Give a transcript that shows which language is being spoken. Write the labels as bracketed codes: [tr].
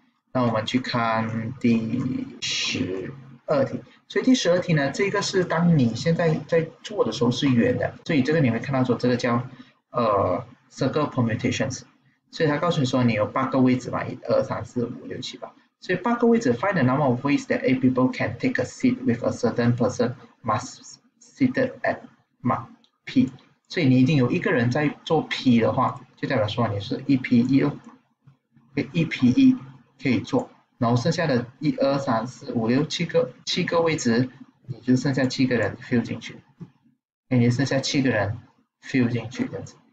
[zh] 那我们去看第十二题。所以第十二题呢，这个是当你现在在做的时候是圆的，所以这个你会看到说这个叫circle permutations。所以它告诉你说你有八个位置嘛，一二三四五六七八。所以八个位置， [en] find the number of ways that eight people can take a seat with a certain person must seated at mark P。 [zh] 所以你一定有一个人在做 P 的话，就代表说你是一 P 一哦，一 P 一可以做，然后剩下的一二三四五六七个位置，你就剩下七个人 fill 进去，你剩下七个人 fill 进去这样子。